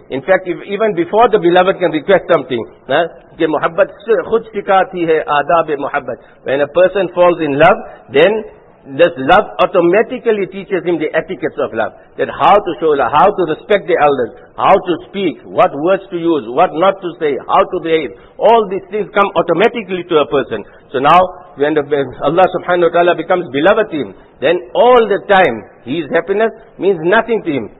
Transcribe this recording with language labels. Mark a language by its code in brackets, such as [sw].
[en] In fact, even before the beloved can request something. [ur] کہ محبت خود سکھاتی ہے آداب محبت. [en] When a person falls in love, then this love automatically teaches him the etiquettes of love. That how to show love, how to respect the elders, how to speak, what words to use, what not to say, how to behave. All these things come automatically to a person. So now, when Allah subhanahu wa ta'ala becomes beloved to him, then all the time, his happiness means nothing to him.